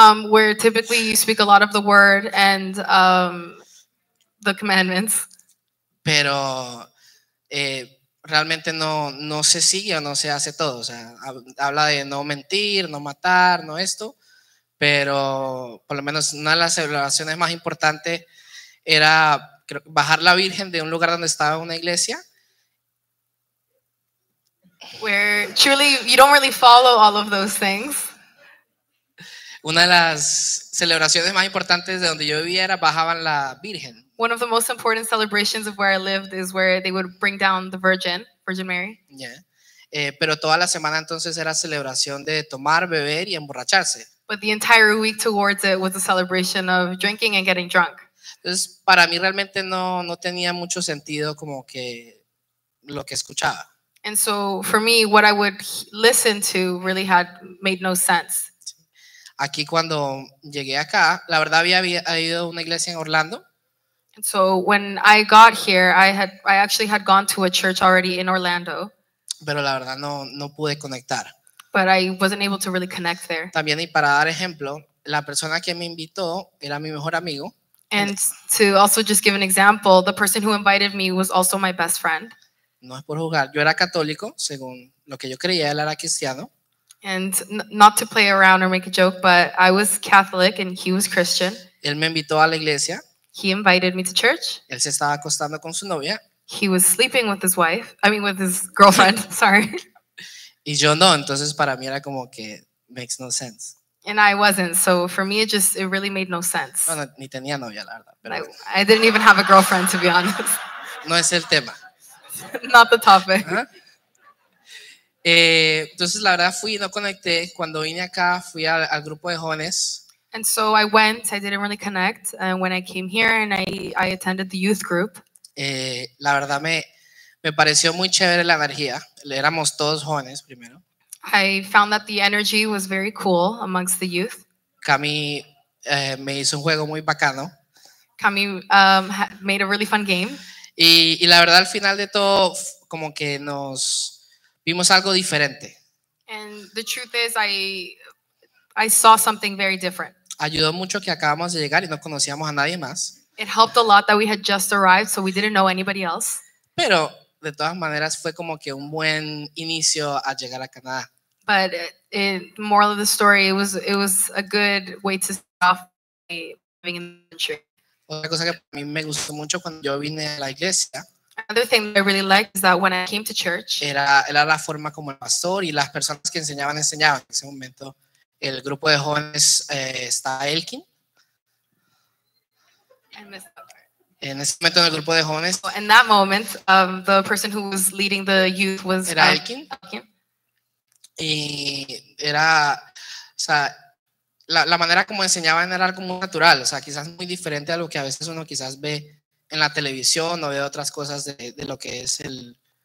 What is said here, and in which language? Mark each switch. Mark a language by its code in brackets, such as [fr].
[en] Where typically you speak a lot of the word and the commandments. [es] Pero realmente no se sigue o no se hace todo. O sea, habla de no mentir, no matar, no esto. Pero por lo menos una de las celebraciones más importantes era bajar la Virgen de un lugar donde estaba una iglesia. [en] Where truly you don't really follow all of those things. [es] Una de las celebraciones más importantes de donde yo vivía era bajaban la Virgen. [en] One of the most important celebrations of where I lived is where they would bring down the Virgin Mary. Yeah. [es] Pero toda la semana entonces era celebración de tomar, beber y emborracharse. [en] But the entire week towards it was a celebration of drinking and getting drunk. [es] Entonces, para mí realmente no tenía mucho sentido como que lo que escuchaba. [en] And so for me, what I would listen to really had made no sense. [es] Aquí cuando llegué acá, la verdad había ido a una iglesia en Orlando. [en] And so when I got here, I actually had gone to a church already in Orlando. [es] Pero la verdad no pude conectar. [en] But I wasn't able to really connect there. [es] También, y para dar ejemplo, la persona que me invitó era mi mejor amigo. [en] And to also just give an example, the person who invited me was also my best friend. [es] No es por juzgar. Yo era católico, según lo que yo creía, él era cristiano. [en] And not to play around or make a joke, but I was Catholic and he was Christian. [es] Él me invitó a la iglesia. [en] He invited me to church. [es] Él se estaba acostando con su novia. [en] He was sleeping with his wife. I mean, with his girlfriend, sorry. [es] Y yo no, entonces para mí era como que [en] makes no sense. And I wasn't, so for me it really made no sense. [es] Bueno, ni tenía novia, la verdad. Pero [en] I didn't even have a girlfriend, to be honest. [es] No es el tema. [en] Not the topic. Uh-huh. [es] Entonces la verdad fui y no conecté. Cuando vine acá fui al grupo de jóvenes. [en] And so I went, I didn't really connect. And when I came here and I attended the youth group. [es] La verdad me pareció muy chévere la energía. Éramos todos jóvenes primero. [en] I found that the energy was very cool amongst the youth. [es] Cami me hizo un juego muy bacano. [en] Cami made a really fun game. [es] Y la verdad al final de todo como que nos vimos algo diferente. [en] And the truth is I saw something very different. [es] Ayudó mucho que acabamos de llegar y no conocíamos a nadie más. [en] It helped a lot that we had just arrived, so we didn't know anybody else. [es] Pero de todas maneras fue como que un buen inicio a llegar a Canadá. [en] But the moral of the story, it was a good way to start off living in the country. [es] Otra cosa que a mí me gustó mucho cuando yo vine a la iglesia. [en] Another thing that I really liked is that when I came to church. [es] Era la forma como el pastor y las personas que enseñaban en ese momento. El grupo de jóvenes está Elkin. En ese momento en el grupo de jóvenes. [en] So in that moment, the person who was leading the youth was [es] era Elkin. Y era, o sea, la manera como enseñaban era algo muy natural, o sea, quizás muy diferente a lo que a veces uno quizás ve en la televisión o ve otras cosas de lo que es el.